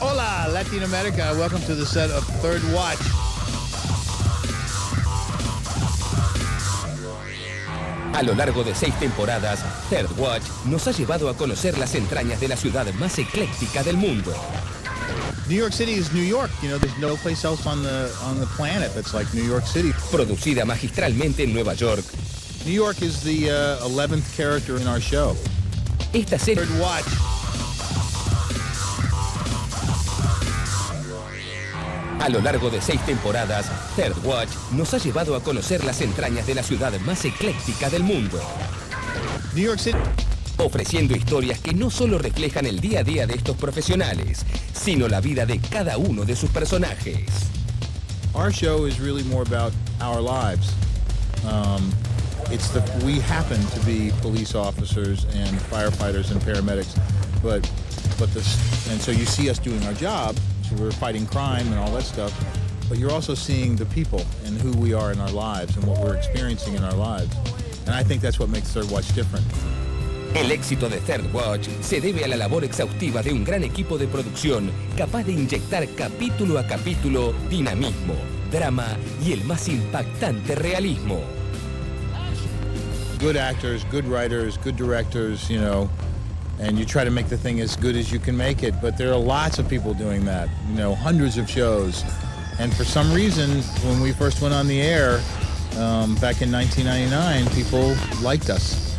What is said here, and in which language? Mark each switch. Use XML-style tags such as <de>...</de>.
<en>Hola, Latin America. Welcome to the set of Third Watch.</en> <es>A lo largo de 6 temporadas, Third Watch nos ha llevado a conocer las entrañas de la ciudad más ecléctica del mundo.</es> <en>New York City is New York. You know, there's no place else on the planet that's like New York City.</en> <es>Producida magistralmente en Nueva York.</es> <en>New York is the 11th character in our show.</en> <es>Esta serie</es> <en>Third Watch.</en> <es>A lo largo de 6 temporadas, Third Watch nos ha llevado a conocer las entrañas de la ciudad más ecléctica del mundo.</es> <en>New York City.</en> <es>Ofreciendo historias que no solo reflejan el día a día de estos profesionales, sino la vida de cada uno de sus personajes.</es> <en>Our show is really more about our lives. We happen to be police officers and firefighters and paramedics, and so you see us doing our job. We're fighting crime and all that stuff, but you're also seeing the people and who we are in our lives and what we're experiencing in our lives, and I think that's what makes Third Watch different.</en> <es>El éxito de Third Watch se debe a la labor exhaustiva de un gran equipo de producción capaz de inyectar capítulo a capítulo dinamismo, drama y el más impactante realismo.</es> <en>Good actors, good writers, good directors, you know. And you try to make the thing as good as you can make it, but there are lots of people doing that, you know, hundreds of shows. And for some reason, when we first went on the air, back in 1999, people liked us.</en>